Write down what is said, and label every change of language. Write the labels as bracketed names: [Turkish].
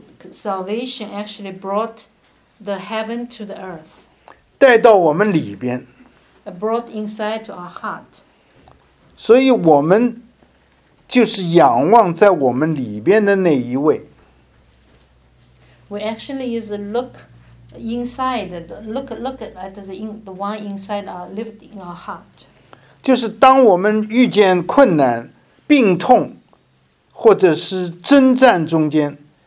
[English] Salvation actually brought the heaven to the earth. [Chinese] 带到我们里边。 [English] Brought inside to our heart. [Chinese] 所以我们就是仰望在我们里边的那一位。 We actually is look inside, look at the one inside our lived in our heart. 就是当我们遇见困难、病痛，或者是征战中间。